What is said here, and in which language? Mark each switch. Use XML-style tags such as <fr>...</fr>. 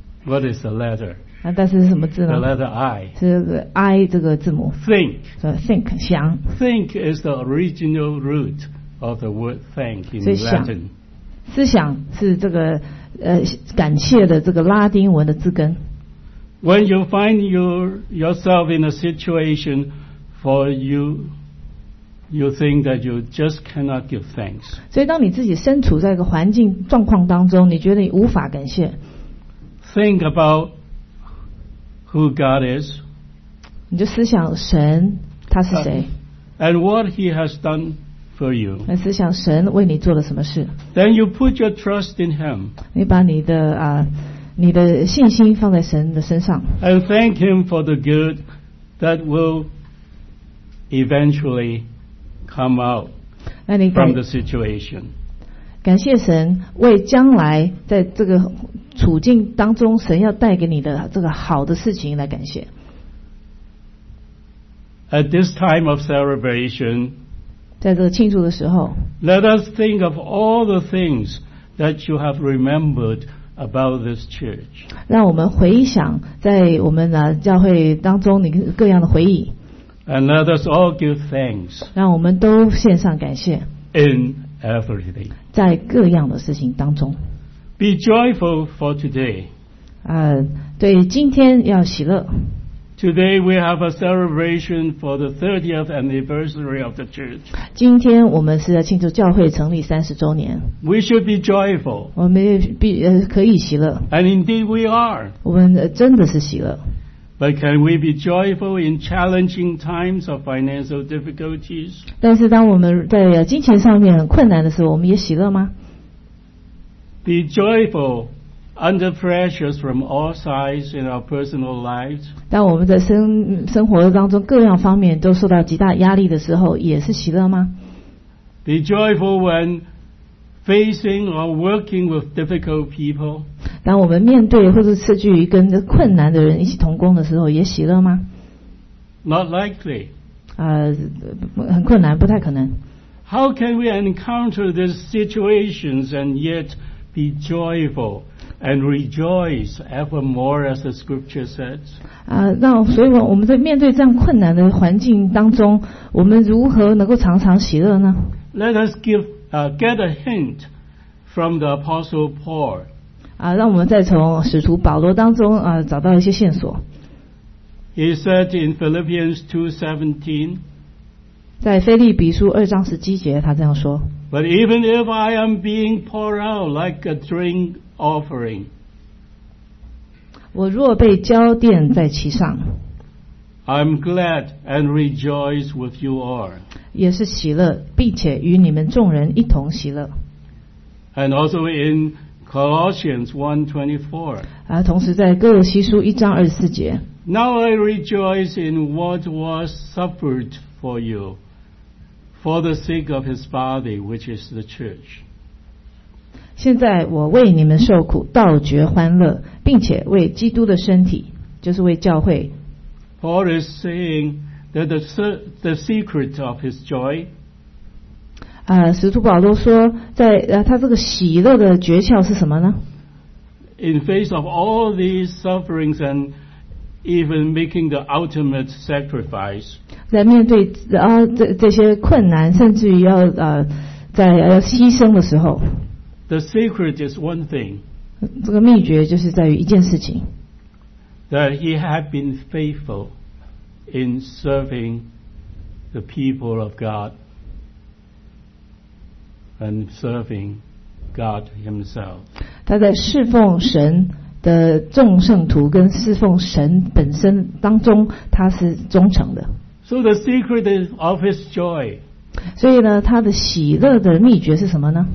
<en>What is the letter?</en> <zh>啊、但是什么字呢</zh> <en>？The letter I</en> <zh>是 I 这个字母。</zh> <en>Think，</en> <zh>是 think 想。</zh> <en>Think is the original root of the word thank in Latin。</en> <zh>思想是这个感谢的这个拉丁文的字根。</zh> <en>When you find yourself in a situation for you think that you just cannot give thanks。</en> <zh>所以当你自己身处在一个环境状况当中，你觉得你无法感谢。</zh> <en>Think about。 Who God is?</en> <zh>你就思想神他是谁</zh> <en>？And what He has done for you?</en> <zh>来思想神为你做了什么事</zh> <en>？Then you put your trust in Him.</en> <zh>你把你的啊、你的信心放在神的身上。</zh> <en>And thank Him for the good that will eventually come out from the situation.</en> <zh>感谢神为将来在这个。处境当中神要带给你的这个好的事情来感谢</zh> <en>At this time of celebration</en> <zh>在这个庆祝的时候</zh> <en>Let us think of all the things that you have remembered about this church</en> <zh>让我们回想在我们教会当中你各样的回忆</zh> <en>And let us all give thanks</en> <zh>让我们都献上感谢</zh> <en>In everything</en> <zh>在各样的事情当中</zh> <en>Be joyful for today.</en> <zh>对，今天要喜乐。</zh> <en>Today we have a celebration for the 30th anniversary of the church.</en> <zh>今天我们是要庆祝教会成立30周年。</zh> <en>We should be joyful.</en> <zh>我们可以喜乐。</zh> <en>And indeed we are.</en> <zh>我们真的是喜乐。</zh> <en>But can we be joyful in challenging times of financial difficulties?</en> <zh>但是当我们在金钱上面很困难的时候，我们也喜乐吗？</zh> <en>Be joyful under pressures from all sides in our personal lives.</en> <zh>当我们在生活当中各样方面都受到极大压力的时候，也是喜乐吗</zh> <en>？Be joyful when facing or working with difficult people.</en> <zh>当我们面对或者是去跟困难的人一起同工的时候，也喜乐吗</zh> <en>？Not likely.</en> <zh>很困难，不太可能。</zh> <en>How can we encounter these situations and yet? Be joyful and rejoice evermore, as the scripture says.</en> <zh>那所以我们在面对这样困难的环境当中，我们如何能够常常喜乐呢？</zh> <en>Let us get a hint from the Apostle Paul.</en> <zh>让我们再从使徒保罗当中找到一些线索。</zh> <en>He said in Philippians 2:17.</en> <zh>在腓立比书二章十七节，他这样说。</zh> <en>But even if I am being poured out like a drink offering,</en> <zh>我若被浇奠在其上,</zh> <en>I'm glad and rejoice with you all.</en> <zh>也是喜乐, 并且与你们众人一同喜乐。</zh> <en>And also in Colossians 1:24.</en> <zh>同时在哥罗西书一章二十四节。</zh> <en>Now I rejoice in what was suffered for you. For the sake of his body, which is the church.</en> <zh>现在我为你们受苦，倒觉欢乐，并且为基督的身体，就是为教会。</zh> <en>Paul is saying that the secret of his joy.</en> <zh>使徒保罗说，在他这个喜乐的诀窍是什么呢？</zh> <en>In face of all these sufferings and even making the ultimate sacrifice.</en> <zh>在面对这些困难，甚至于要在牺牲的时候</zh> <en>，The secret is one thing.</en> <zh>这个秘诀就是在于一件事情</zh> <en>，That he had been faithful in serving the people of God and serving God himself.</en> <zh>他在侍奉神的众圣徒跟侍奉神本身当中，他是忠诚的。</zh> <en>So the secret of his joy.</en> <zh>所以呢，他的喜乐的秘诀是什么呢？</zh>